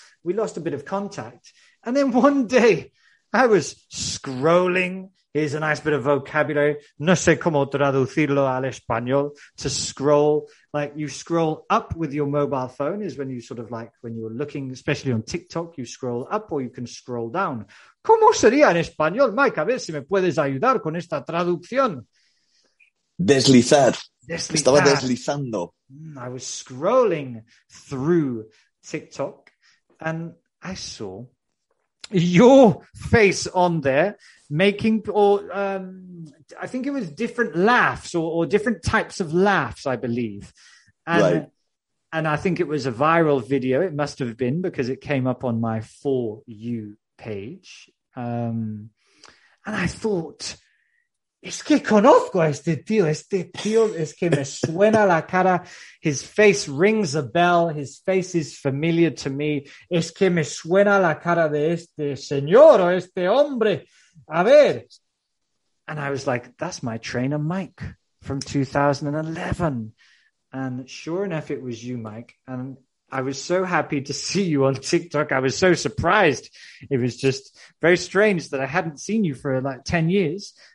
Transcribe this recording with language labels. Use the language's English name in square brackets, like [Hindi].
[English] We lost a bit of contact. And then one day I was scrolling. Here's a nice bit of vocabulary. [Spanish] No sé cómo traducirlo al español. [English] To scroll, like you scroll up with your mobile phone is when you sort of like, when you're looking, especially on TikTok, you scroll up or you can scroll down. [Spanish] ¿Cómo sería en español, Mike? A ver si me puedes ayudar con esta traducción. Deslizar. Estaba deslizando. [English] I was scrolling through TikTok and I saw your face on there making, I think it was different laughs or different types of laughs, I believe. And, right. And I think it was a viral video. It must have been because it came up on my For You page. And I thought, [Spanish] es que conozco a este tío, es que me suena la cara. [English] His face rings a bell. His face is familiar to me. [Spanish] Es que me suena la cara de este señor o este hombre. A ver. [English] And I was like, that's my trainer, Mike, from 2011. And sure enough, it was you, Mike. And I was so happy to see you on TikTok. I was so surprised. It was just very strange that I hadn't seen you for like 10 years.